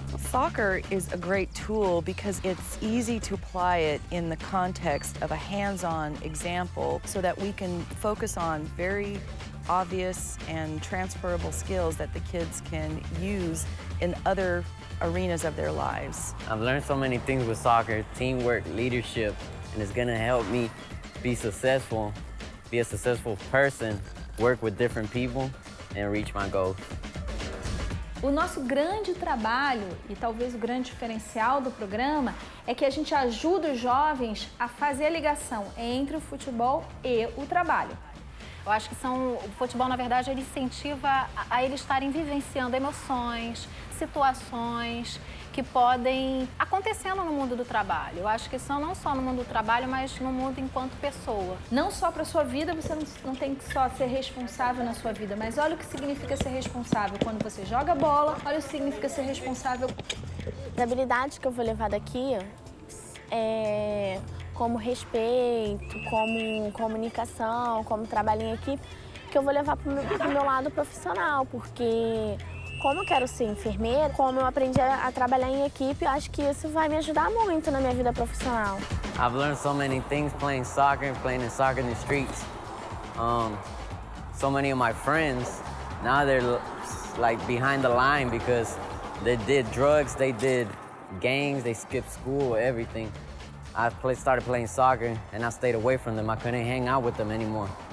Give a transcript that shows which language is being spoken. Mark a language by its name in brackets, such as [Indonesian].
[English] soccer is a great tool because it's easy to apply it in the context of a hands-on example so that we can focus on very obvious and transferable skills that the kids can use in other arenas of their lives. I've learned so many things with soccer, teamwork, leadership, and it's gonna help me be a successful person, work with different people, and reach my goals. [Portuguese] O nosso grande trabalho, e talvez o grande diferencial do programa, é que a gente ajuda os jovens a fazer a ligação entre o futebol e o trabalho. Eu acho que o futebol, na verdade, ele incentiva a eles estarem vivenciando emoções, situações que podem acontecendo no mundo do trabalho. Eu acho que são não só no mundo do trabalho, mas no mundo enquanto pessoa. Não só para a sua vida, você não tem que só ser responsável na sua vida, mas olha o que significa ser responsável quando você joga bola, olha o que significa ser responsável. As habilidades que eu vou levar daqui é como respeito, como comunicação, como trabalho em equipe, que eu vou levar pro meu lado profissional, porque como eu quero ser enfermeira, como eu aprendi a trabalhar em equipe, eu acho que isso vai me ajudar muito na minha vida profissional. [English] I've learned so many things playing soccer and playing in soccer in the streets. So many of my friends, now they're like behind the line because they did drugs, they did gangs, they skipped school, everything. I started playing soccer and I stayed away from them. I couldn't hang out with them anymore.